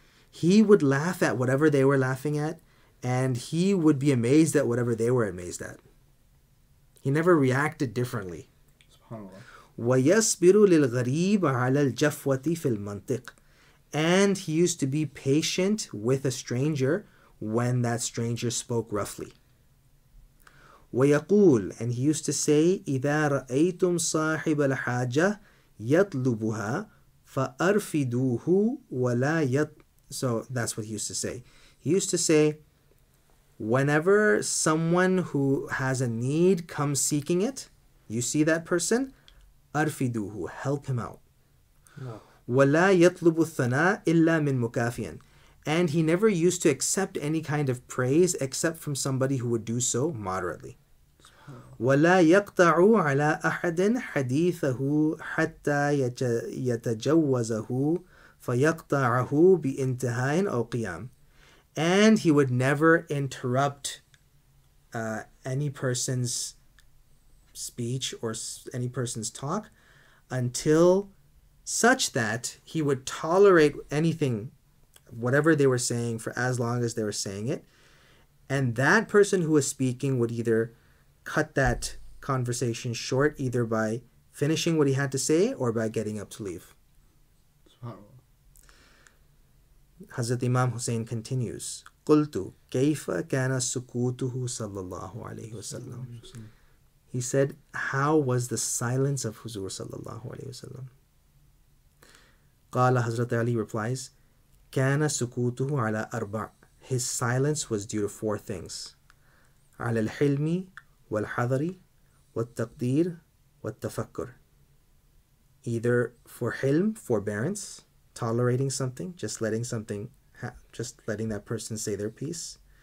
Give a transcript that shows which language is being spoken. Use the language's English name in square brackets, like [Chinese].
[English] He would laugh at whatever they were laughing at, and he would be amazed at whatever they were amazed at. He never reacted differently. [Arabic] وَيَصْبِرُ لِلْغَرِيبَ عَلَى الْجَفْوَةِ فِي الْمَنْطِقِ. [English] And he used to be patient with a stranger when that stranger spoke roughly. [Arabic] ويقول, [English] and he used to say, [Arabic] إِذَا رَأَيْتُمْ صَاحِبَ الْحَاجَةِ يَطْلُبُهَا فَأَرْفِدُوهُ وَلَا يَطْ. [English] So that's what he used to say. He used to say, whenever someone who has a need comes seeking it, you see that person, [Arabic] أَرْفِدُوهُ, [English] help him out. [Arabic] وَلَا يَطْلُبُ الثَّنَاءِ إِلَّا مِنْ مُكَافِيًا. [English] And he never used to accept any kind of praise except from somebody who would do so moderately. [Arabic] وَلَا يَقْطَعُ عَلَىٰ أَحَدٍ حَدِيثَهُ حَتَّى يَتَجَوَّزَهُ فَيَقْطَعَهُ بِإِنْتِهَاءٍ أَوْ قِيَامٍ. [English] And he would never interrupt any person's speech or any person's talk until such that he would tolerate anything, whatever they were saying, for as long as they were saying it. And that person who was speaking would either cut that conversation short, either by finishing what he had to say or by getting up to leave. Hazrat Imam Hussein continues, [Arabic] قُلْتُ كَيْفَ كَانَ سُكُوتُهُ صَلَّى اللَّهُ عَلَيْهِ وَسَلَّمُ. [English] He said, how was the silence of Huzur صَلَّى اللَّهُ عَلَيْهِ وَسَلَّمُ? [Arabic] قَالَ [English] Hazrat Ali replies, [Arabic] كَانَ سُكُوتُهُ عَلَى أَرْبَعُ. [English] His silence was due to four things. [Arabic] عَلَى الْحِلْمِ وَالْحَذَرِ وَالْتَقْدِيرِ وَالْتَفَكُّرِ. [English] Either for hilm, forbearance, tolerating something, just letting something, just letting that person say their piece.